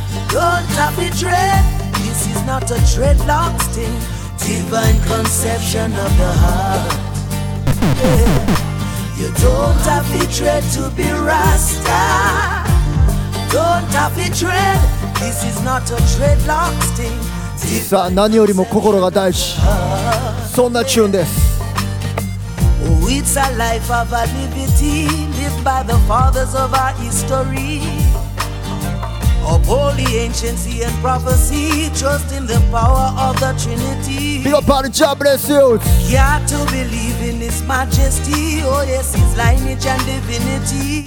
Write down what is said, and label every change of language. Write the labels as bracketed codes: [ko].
[en] Don't have to dread. This is not a dreadlock thing. Divine conception of the heart. Yeah. You don't have to dread to be Rasta. Don't have to dread. This is not a dreadlock sting. [ja] さあ何よりも心が大事。そんなチューンです。 [en] Oh, it's a life of a liberty lived by the fathers of our history. A Uphold the ancient and prophecy, trust in the power of the Trinity. Big up on the job, bless you. Yeah, to believe in His majesty, oh yes, His lineage and divinity.